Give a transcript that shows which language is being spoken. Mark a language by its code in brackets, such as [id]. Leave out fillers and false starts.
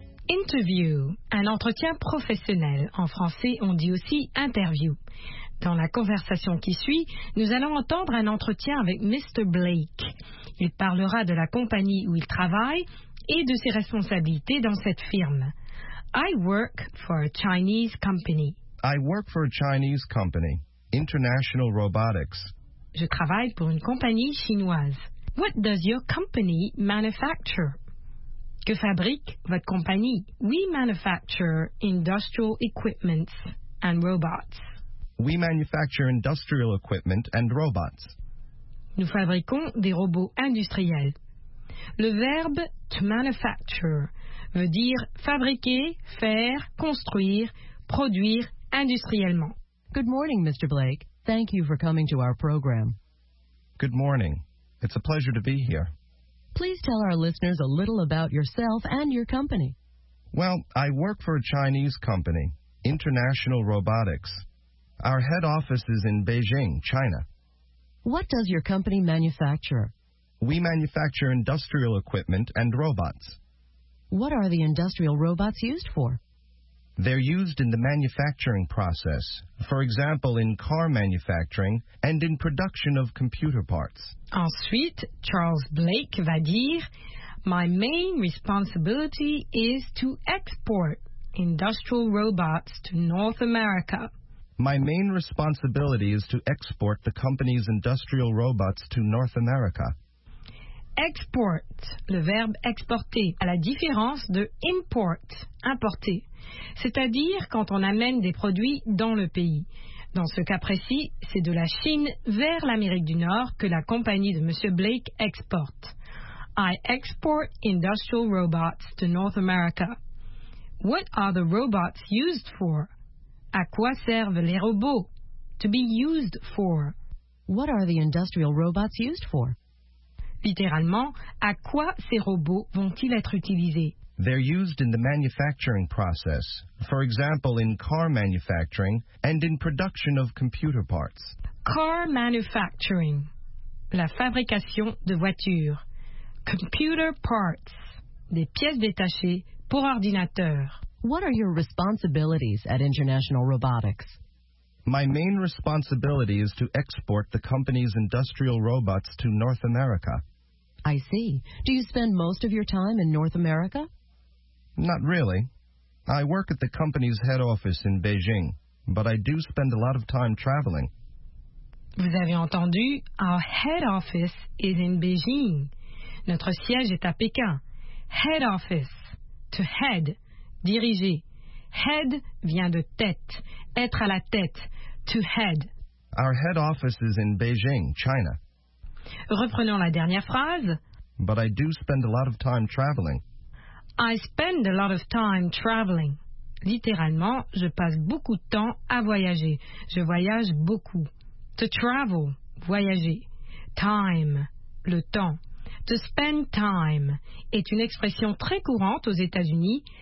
[fr] Interview, un entretien professionnel. En français, on dit aussi interview. Dans la conversation qui suit, nous allons entendre un entretien avec Mr. Blake. Il parlera de la compagnie où il travaille et de ses responsabilités dans cette firme. [en] I work for a Chinese company. I work for a Chinese company, International Robotics. [fr] Je travaille pour une compagnie chinoise. [en] What does your company manufacture? [fr] Que fabrique votre compagnie? [en] We manufacture industrial equipment and robots. We manufacture industrial equipment and robots. [fr] Nous fabriquons des robots industriels. Le verbe to manufacture veut dire fabriquer, faire, construire, produire industriellement. [en] Good morning, Mr. Blake. Thank you for coming to our program. Good morning. It's a pleasure to be here. Please tell our listeners a little about yourself and your company. Well, I work for a Chinese company, International Robotics. Our head office is in Beijing, China. What does your company manufacture? We manufacture industrial equipment and robots. What are the industrial robots used for? They're used in the manufacturing process, for example, in car manufacturing and in production of computer parts. [fr] Ensuite, Charles Blake va dire, [en] My main responsibility is to export industrial robots to North America. My main responsibility is to export the company's industrial robots to North America. [fr] Export, le verbe exporter, à la différence de import, importer, c'est-à-dire quand on amène des produits dans le pays. Dans ce cas précis, c'est de la Chine vers l'Amérique du Nord que la compagnie de M. Blake exporte. [en] I export industrial robots to North America. What are the robots used for? [fr] À quoi servent les robots? [en] To be used for. What are the industrial robots used for? [fr] Littéralement, à quoi ces robots vont-ils être utilisés? [en] They're used in the manufacturing process, for example, in car manufacturing and in production of computer parts. Car manufacturing, [fr] la fabrication de voitures. [en] Computer parts, [fr] des pièces détachées pour ordinateur. [en] What are your responsibilities at International Robotics? My main responsibility is to export the company's industrial robots to North America. I see. Do you spend most of your time in North America? Not really. I work at the company's head office in Beijing, but I do spend a lot of time traveling. [fr] Vous avez entendu, [en] our head office is in Beijing. [fr] Notre siège est à Pékin. Head office. To head. Diriger. Head vient de tête. Être à la tête. To head. [en] Our head office is in Beijing, China. [fr] Reprenons la dernière phrase. [en] But I do spend a lot of time traveling. I spend a lot of time traveling. [fr] Littéralement, je passe beaucoup de temps à voyager. Je voyage beaucoup. To travel, voyager. Time, le temps. To spend time est une expression très courante aux États-Unis.